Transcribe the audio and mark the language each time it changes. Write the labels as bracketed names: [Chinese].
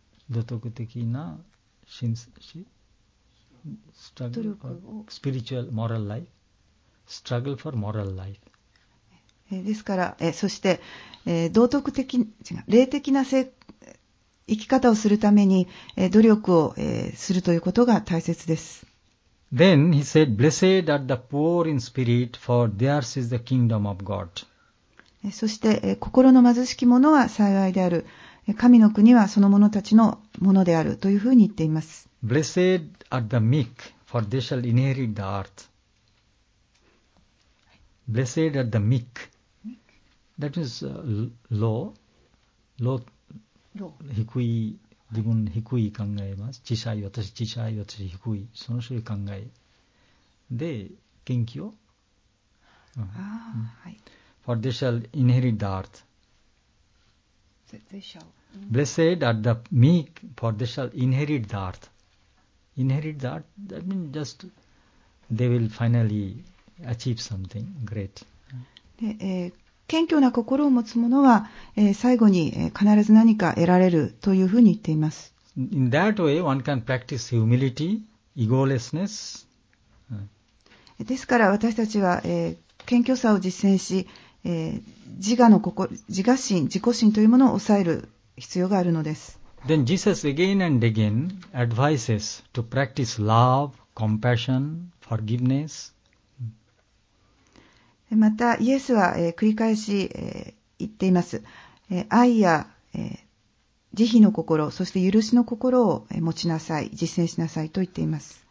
[Japanese] 道徳的な心思。 [English] Struggle for spiritual moral life. Struggle for moral life. [Japanese] ですから、そして、道徳的、違う、霊的な生き方をするために、努力を、するということが大切です。 [English] Then he said, Blessed are the poor in spirit, for theirs is the kingdom of God. [Japanese] そして、心の貧しき者は幸いである。神の国はその者たちのものであるというふうに言っています。 [English] Blessed are the meek, for they shall inherit the earth. Blessed are the meek. That is low. [Japanese] 低い自分低い考えます。小さい私低い、その種類考えで元気を、うん、 [English] For they shall inherit the earth. They shall. Blessed are the meek, for they shall inherit the earth. Inherit the earth, that means just they will finally achieve something great. [Japanese] で、謙虚な心を持つ者は、最後に、必ず何か得られるというふうに言っています。 [English] In that way, one can practice humility, egolessness. [Japanese] ですから私たちは、謙虚さを実践し、自我の心、自我心、自己心というものを抑える必要があるのです。 [English] Then Jesus again and again advises to practice love, compassion, forgiveness. [Japanese] またイエスは、繰り返し、言っています、愛や、慈悲の心、そして許しの心を、持ちなさい、実践しなさいと言っています。